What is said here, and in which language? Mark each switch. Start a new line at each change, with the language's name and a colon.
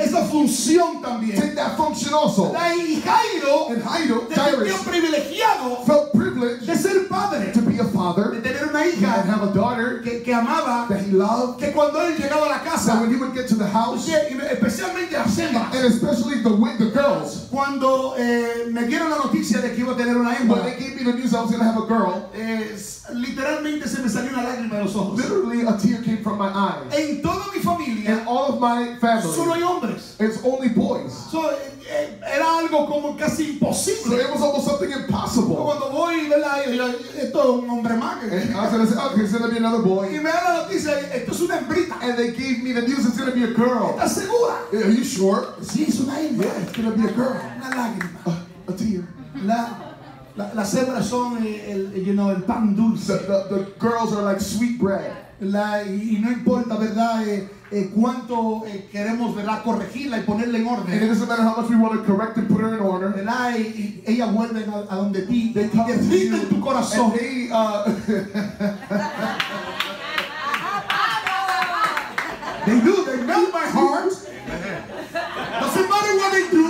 Spanish: esa función también,
English: take that function also.
Spanish: Y Jairo,
English: and Jairo
Spanish: privilegiado,
English: felt privileged
Spanish: de ser padre,
English: to be a father,
Spanish: de tener una hija,
English: and have a daughter
Spanish: que amaba,
English: that he loved,
Spanish: que cuando él llegaba a la casa,
English: that when he would get to the house,
Spanish: especialmente a Selma,
English: and especially the girls,
Spanish: cuando me dieron la noticia de que iba a tener una hembra,
English: when they gave me the news I was going to have a girl,
Spanish: literalmente se me salió una lágrima de los ojos.
English: Literally a tear came from my eye.
Spanish: En toda mi familia,
English: and all of my family,
Spanish: solo hay hombres.
English: It's only boys.
Spanish: So era algo como casi imposible.
English: So it was almost something impossible.
Spanish: Cuando voy, esto es un hombre más.
English: I was gonna say, okay, it's gonna be another boy.
Spanish: Y me da la noticia, esto es una hembrita.
English: And they gave me the news, it's gonna be a girl.
Spanish: ¿Estás segura?
English: Yeah, are you sure?
Spanish: Sí, es una hembra.
English: Yeah, it's gonna be a girl.
Spanish: Una lágrima.
English: A tear.
Spanish: Las hembras son el pan dulce.
English: The girls are like sweet bread.
Spanish: Y no importa, verdad, cuánto queremos, verdad, corregirla y ponerla en orden.
English: And it doesn't matter how much we want to correct and put her in order.
Spanish: Y ella vuelve a donde ti.
English: They come to you.
Spanish: En tu corazón.
English: And they, they do. They melt my heart. Doesn't matter what they do.